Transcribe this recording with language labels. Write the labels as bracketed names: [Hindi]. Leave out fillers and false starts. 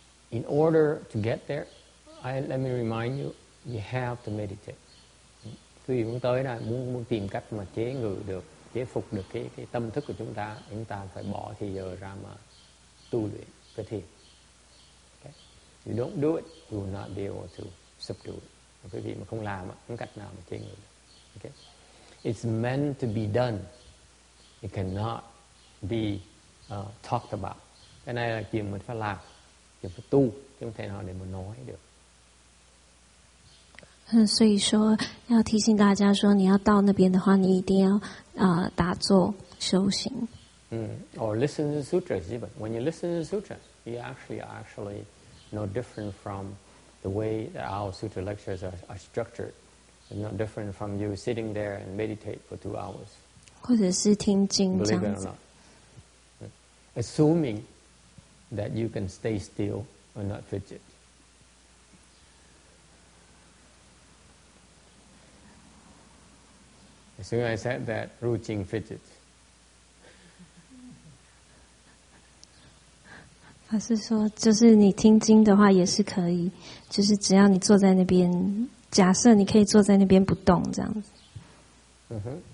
[English] In order to get there, let me remind you, you have to meditate. [Vietnamese] Khi muốn tới đây, muốn tìm cách mà chế ngự được, chế phục được cái tâm thức của chúng ta phải bỏ thì giờ ra mà tu luyện cái thiền. [English] You don't do it, you will not be able to subdue it. [Vietnamese] Quý vị mà không làm, không cách nào mà chế ngự được. [English] Okay? It's meant to be done. It cannot be talked about. [Vietnamese] Cái này là chuyện mình phải làm, chuyện phải tu, chứ không thể nào để mà nói được. [Chinese] 所以说要提醒大家说你要到那边的话，你一定要打坐修行。 [English] Or listen to sutras even. When you listen to sutras, you actually. No different from the way that our sutra lectures are structured. It's not different from you sitting there and meditate for 2 hours. [Chinese] 或者是听经这样子。 [English] Believe it or not. Assuming that you can stay still and not fidget. As soon as I said that, Ru Qing fidget. [Chinese] 他是说，就是你听经的话也是可以，就是只要你坐在那边，假设你可以坐在那边不动这样子。